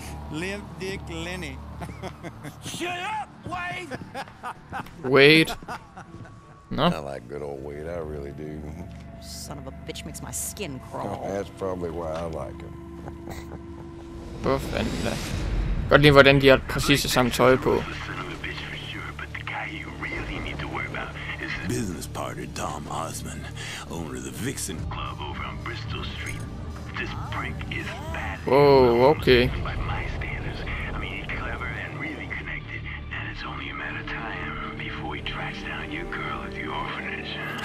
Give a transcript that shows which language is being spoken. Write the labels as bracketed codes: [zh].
[en] Limp dick Lenny. Shut up, Wade! Wade. No? I like good old Wade, I really do. Son of a bitch makes my skin crawl. Oh, that's probably why I like him. [da] Hvor fanden da. Godt lide, hvordan de har præcis det samme tøj på. [en] Business partner Tom Osman, owner of the Vixen Club over on Bristol Street. This prank is bad. Oh, okay. By my standards, I mean, clever and really connected, and it's only a matter of time before he tracks down your girl at the orphanage.